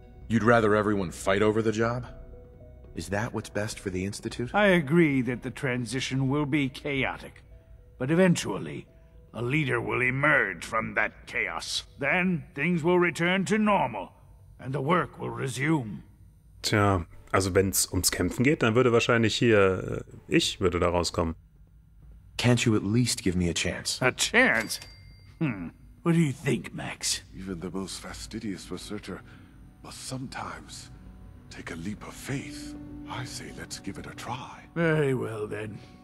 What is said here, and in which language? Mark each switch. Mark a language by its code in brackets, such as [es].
[en] You'd rather everyone fight over the job? Is that what's best for the Institute? I agree that the transition will be chaotic. But eventually, a leader will emerge from that chaos. Then, things will return to normal, and the work will resume. [de] Tja, also wenn es ums Kämpfen geht, dann würde wahrscheinlich hier... ich würde da rauskommen. [en] Can't you at least give me a chance? A chance? What do you think, Max? Even the most fastidious researcher must sometimes take a leap of faith. I say let's give it a try. Very well, then.